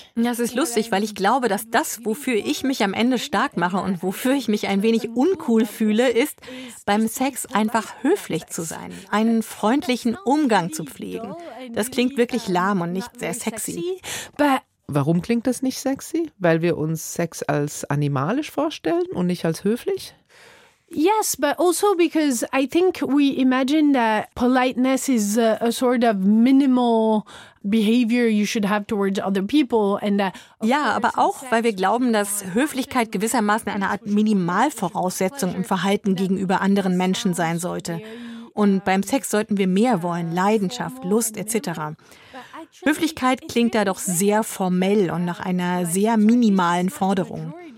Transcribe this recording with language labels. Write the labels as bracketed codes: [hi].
[de] Das ist lustig, weil ich glaube, dass das, wofür ich mich am Ende stark mache und wofür ich mich ein wenig uncool fühle, ist, beim Sex einfach höflich zu sein, einen freundlichen Umgang zu pflegen. Das klingt wirklich lahm und nicht sehr sexy. Warum klingt das nicht sexy? Weil wir uns Sex als animalisch vorstellen und nicht als höflich? [en] Yes, but also because I think we imagine that politeness is a sort of minimal behavior you should have towards other people and that. [de] Ja, aber auch weil wir glauben, dass Höflichkeit gewissermaßen eine Art Minimalvoraussetzung im Verhalten gegenüber anderen Menschen sein sollte. Und beim Sex sollten wir mehr wollen, Leidenschaft, Lust etc. Höflichkeit klingt da doch sehr formell und nach einer sehr minimalen Forderung.